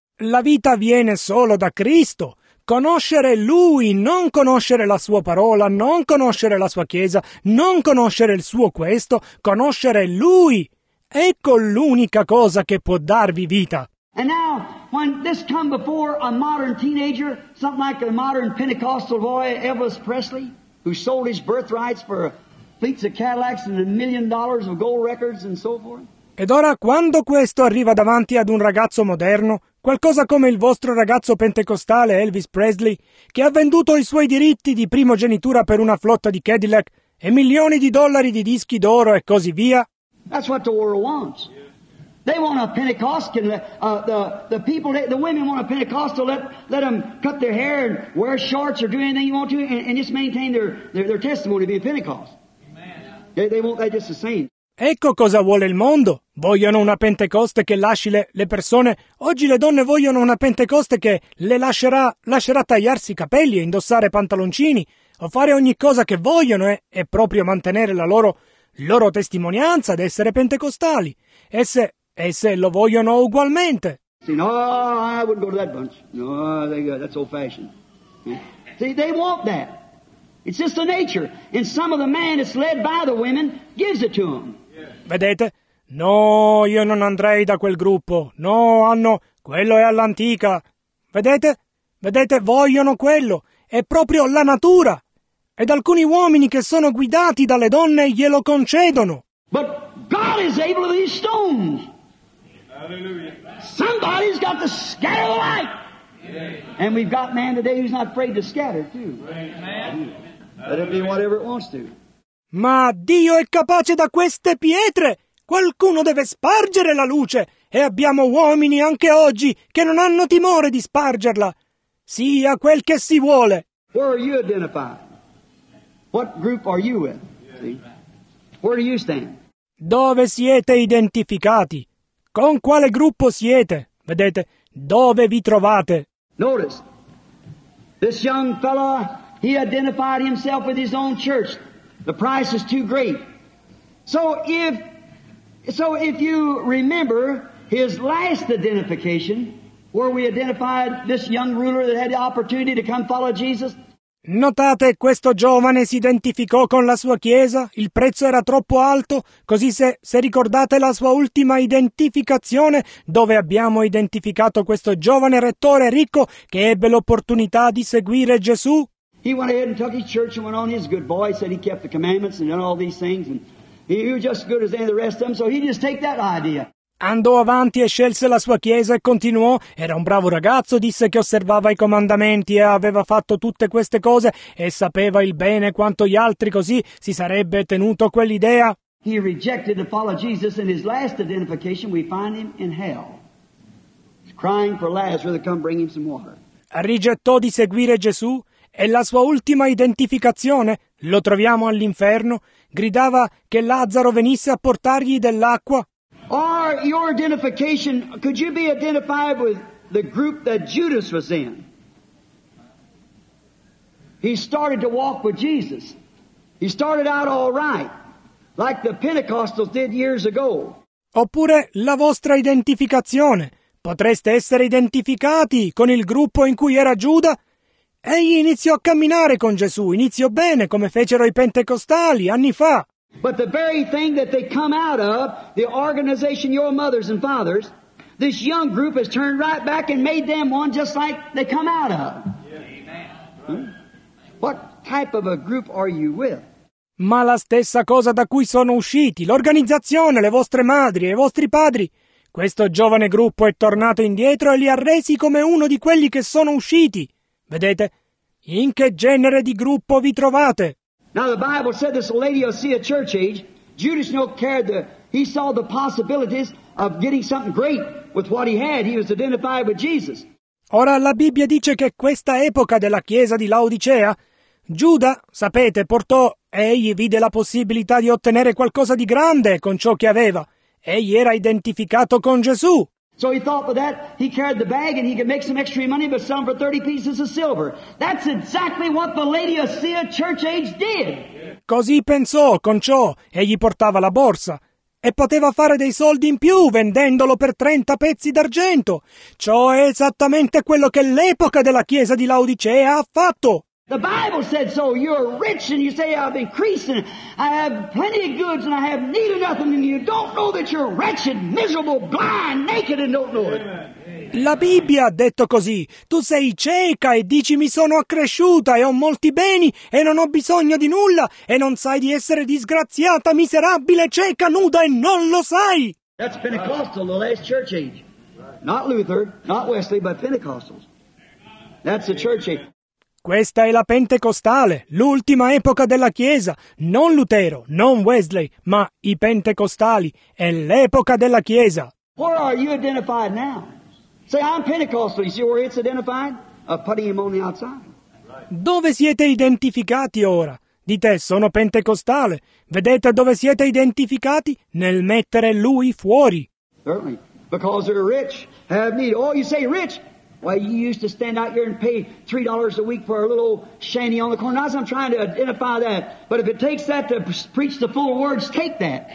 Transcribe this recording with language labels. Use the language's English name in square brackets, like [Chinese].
[Italian] La vita viene solo da Cristo. Conoscere Lui, non conoscere la Sua parola, non conoscere la Sua Chiesa, non conoscere il Suo questo, conoscere Lui. Ecco l'unica cosa che può darvi vita. [English] And now, when this come before a modern teenager, something like a modern Pentecostal boy, Elvis Presley, who sold his birthrights for fleets of Cadillacs and $1 million of gold records and so forth. [Italian] Ed ora, quando questo arriva davanti ad un ragazzo moderno, qualcosa come il vostro ragazzo pentecostale Elvis Presley, che ha venduto i suoi diritti di primogenitura per una flotta di Cadillac e milioni di dollari di dischi d'oro e così via. [English] That's what the world wants. They want a Pentecostal, the people, the women want a Pentecostal, let them cut their hair and wear shorts or do anything you want to and just maintain their testimony to be a Pentecost. Amen. They want that just the same. [Italian] Ecco cosa vuole il mondo. Vogliono una Pentecoste che lasci le persone. Oggi le donne vogliono una Pentecoste che le lascerà tagliarsi i capelli e indossare pantaloncini o fare ogni cosa che vogliono e proprio mantenere la loro testimonianza di essere pentecostali. Esse lo vogliono ugualmente. [English] See, no, I wouldn't go to that bunch. No, that's old fashioned. See, they want that. It's just the nature. And some of the man that's led by the women gives it to them. [Italian] Vedete? No, io non andrei da quel gruppo. No, hanno... quello è all'antica. Vedete? Vedete, vogliono quello. È proprio la natura. Ed alcuni uomini che sono guidati dalle donne glielo concedono. [English] But God is able to these stones. Somebody's got to scatter the light. And we've got man today who's not afraid to scatter too. Let it be whatever it wants to. [Italian] Ma Dio è capace da queste pietre. Qualcuno deve spargere la luce. E abbiamo uomini anche oggi che non hanno timore di spargerla. Sia quel che si vuole. [English] Where are you identified? What group are you with? See? Where do you stand? [Italian] Dove siete identificati? Con quale gruppo siete? Vedete, dove vi trovate? [English] Notice, this young fellow, he identified himself with his own church. The price is too great. So if you remember his last identification, where we identified this young ruler that had the opportunity to come follow Jesus. [Italian] Notate, questo giovane si identificò con la sua chiesa, il prezzo era troppo alto, così se ricordate la sua ultima identificazione, dove abbiamo identificato questo giovane rettore ricco che ebbe l'opportunità di seguire Gesù. [English] He went ahead and took his church and went on. He's a good boy. He said he kept the commandments and done all these things. And he was just as good as any of the rest of them, so he just take that idea. [Italian] Andò avanti e scelse la sua chiesa e continuò. Era un bravo ragazzo, disse che osservava i comandamenti e aveva fatto tutte queste cose e sapeva il bene quanto gli altri, così si sarebbe tenuto quell'idea. [English] He rejected to follow Jesus in his last identification. We find him in hell. He's crying for Lazarus to come bring him some water. [Italian] Rigettò di seguire Gesù e la sua ultima identificazione lo troviamo all'inferno. Gridava che Lazzaro venisse a portargli dell'acqua. [English] Or your identification, could you be identified with the group that Judas was in? He started to walk with Jesus. He started out all right, like the Pentecostals did years ago. [Italian] Oppure la vostra identificazione. Potreste essere identificati con il gruppo in cui era Giuda? Egli iniziò a camminare con Gesù, iniziò bene, come fecero i pentecostali anni fa. [English] But the very thing that they come out of, the organization your mothers and fathers, this young group has turned right back and made them one just like they come out of. What type of a group are you with? [Italian] Ma la stessa cosa da cui sono usciti, l'organizzazione, le vostre madri e i vostri padri. Questo giovane gruppo è tornato indietro e li ha resi come uno di quelli che sono usciti. Vedete, in che genere di gruppo vi trovate? [English] Now the Bible said this lady will see a church age. Judas no cared the, he saw the possibilities of getting something great with what he had. He was identified with Jesus. [Italian] Ora la Bibbia dice che questa epoca della chiesa di Laodicea, Giuda, sapete, portò, egli vide la possibilità di ottenere qualcosa di grande con ciò che aveva. Egli era identificato con Gesù. [English] So he thought with that, he carried the bag and he could make some extra money but sell them for 30 pieces of silver. That's exactly what the Laodicea church age did. [Italian] Così pensò, con ciò, egli portava la borsa e poteva fare dei soldi in più vendendolo per 30 pezzi d'argento. Ciò è esattamente quello che l'epoca della chiesa di Laodicea ha fatto. [English] The Bible said so, you're rich and you say I've increased and I have plenty of goods and I have need of nothing and you don't know that you're wretched, miserable, blind, naked and don't know it. [Italian] La Bibbia ha detto così, tu sei cieca e dici mi sono accresciuta e ho molti beni e non ho bisogno di nulla e non sai di essere disgraziata, miserabile, cieca, nuda e non lo sai. [English] That's Pentecostal, the last church age. Not Luther, not Wesley, but Pentecostals. That's the church age. [Italian] Questa è la Pentecostale, l'ultima epoca della Chiesa, non Lutero, non Wesley, ma i Pentecostali, è l'epoca della Chiesa. [English] Where are you identified now? Say, I'm Pentecostal, you see where it's identified? Of putting him on the outside. [Italian] Dove siete identificati ora? Dite, sono Pentecostale. Vedete dove siete identificati? Nel mettere lui fuori. [English] Certainly, because they're rich, have need. Oh, you say rich? Why, you used to stand out here and pay $3 a week for a little shanty on the corner. Now I'm trying to identify that. But if it takes that to preach the full words, take that.